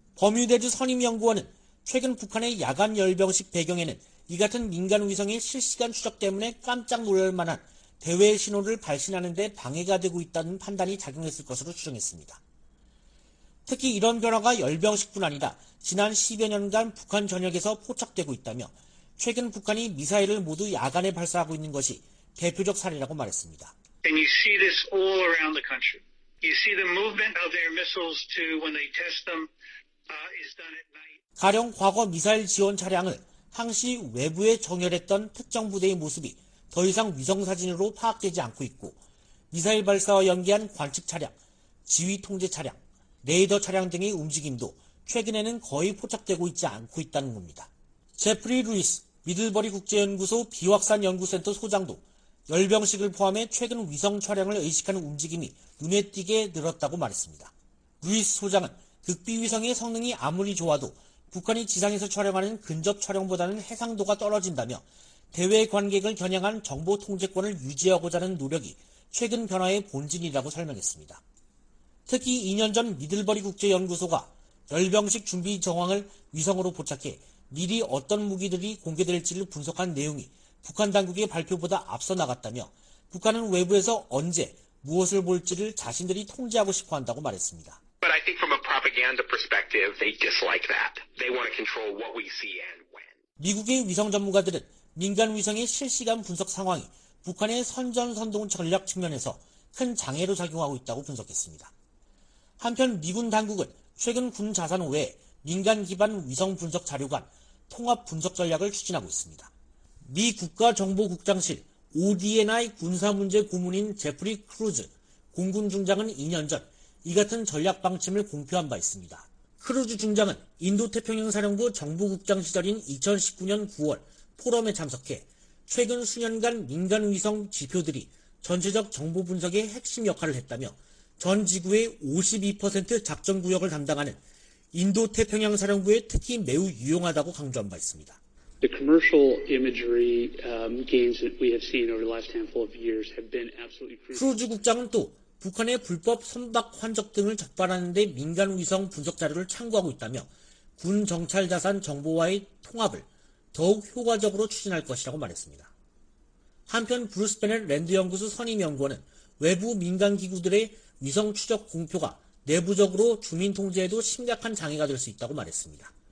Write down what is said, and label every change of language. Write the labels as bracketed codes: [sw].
[ko] 버뮤데즈 선임연구원은 최근 북한의 야간 열병식 배경에는 이 같은 민간 위성의 실시간 추적 때문에 깜짝 놀랄만한 대외 신호를 발신하는 데 방해가 되고 있다는 판단이 작용했을 것으로 추정했습니다. 특히 이런 변화가 열병식뿐 아니라 지난 10여 년간 북한 전역에서 포착되고 있다며 최근 북한이 미사일을 모두 야간에 발사하고 있는 것이 대표적 사례라고 말했습니다. [en] And you see this all around the country. You see the movement of their missiles to when they test them is done at night. [ko] 가령 과거 미사일 지원 차량을 항시 외부에 정렬했던 특정 부대의 모습이 더 이상 위성 사진으로 파악되지 않고 있고 미사일 발사와 연계한 관측 차량, 지휘 통제 차량, 레이더 차량 등의 움직임도 최근에는 거의 포착되고 있지 않고 있다는 겁니다. 제프리 루이스, 미들버리 국제연구소 비확산 연구센터 소장도 열병식을 포함해 최근 위성 촬영을 의식하는 움직임이 눈에 띄게 늘었다고 말했습니다. 루이스 소장은 극비 위성의 성능이 아무리 좋아도 북한이 지상에서 촬영하는 근접 촬영보다는 해상도가 떨어진다며 대외 관객을 겨냥한 정보 통제권을 유지하고자 하는 노력이 최근 변화의 본질이라고 설명했습니다. 특히 2년 전 미들버리 국제연구소가 열병식 준비 정황을 위성으로 포착해 미리 어떤 무기들이 공개될지를 분석한 내용이 북한 당국의 발표보다 앞서 나갔다며 북한은 외부에서 언제 무엇을 볼지를 자신들이 통제하고 싶어 한다고 말했습니다. [en] But I think from a propaganda perspective, they dislike that. They want to control what we see and when. [ko] 미국의 위성 전문가들은 민간 위성의 실시간 분석 상황이 북한의 선전선동 전략 측면에서 큰 장애로 작용하고 있다고 분석했습니다. 한편 미군 당국은 최근 군 자산 외에 민간 기반 위성 분석 자료 간 통합 분석 전략을 추진하고 있습니다. 미 국가정보국장실 ODNI 군사 문제 고문인 제프리 크루즈 공군 중장은 2년 전 이 같은 전략 방침을 공표한 바 있습니다. 크루즈 중장은 인도태평양사령부 정보국장 시절인 2019년 9월 포럼에 참석해 최근 수년간 민간 위성 지표들이 전체적 정보 분석의 핵심 역할을 했다며 전 지구의 52% 작전 구역을 담당하는 인도태평양사령부에 특히 매우 유용하다고 강조한 바 있습니다. [en] The commercial imagery gains that we have seen over the last handful of years have been absolutely crucial. [ko] 크루즈 국장은 또 북한의 불법 선박 환적 등을 적발하는 데 민간 위성 분석 자료를 참고하고 있다며 군 정찰 자산 정보와의 통합을 더욱 효과적으로 추진할 것이라고 말했습니다. 한편 브루스 베넷 랜드 연구소 선임 연구원은 외부 민간 기구들의 위성 추적 공표가 내부적으로 주민 통제에도 심각한 장애가 될 수 있다고 말했습니다.